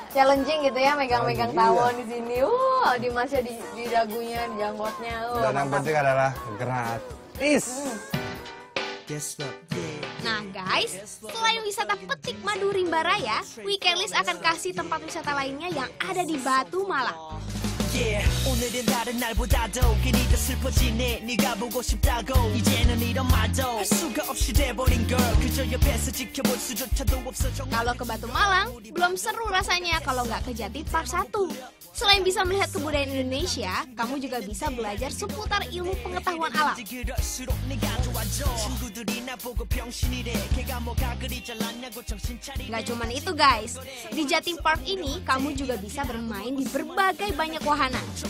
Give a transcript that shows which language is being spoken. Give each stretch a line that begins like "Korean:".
Indonesian: Challenging gitu ya, megang-megang tawon di sini. Di masnya, di dagunya, di janggotnya. Dan yang penting adalah gratis. Nah guys, selain wisata petik madu Rimba Raya, Weekend List akan kasih tempat wisata lainnya yang ada di Batu Malang.
Korean: Yeah, 오늘은 다른 날보다도 괜히 더 슬퍼지네 네가 보고 싶다고 이제는 이런 말도 할 수가 없이 돼버린 걸 그저 옆에서 지켜볼 수조차도 없어
Indonesian: Kalau ke Batu Malang, belum seru rasanya kalau nggak ke Jati Park 1. Selain bisa melihat kebudayaan Indonesia, kamu juga bisa belajar seputar ilmu pengetahuan alam. Gak cuma itu guys, di Jatim Park ini kamu juga bisa bermain di berbagai banyak wahana.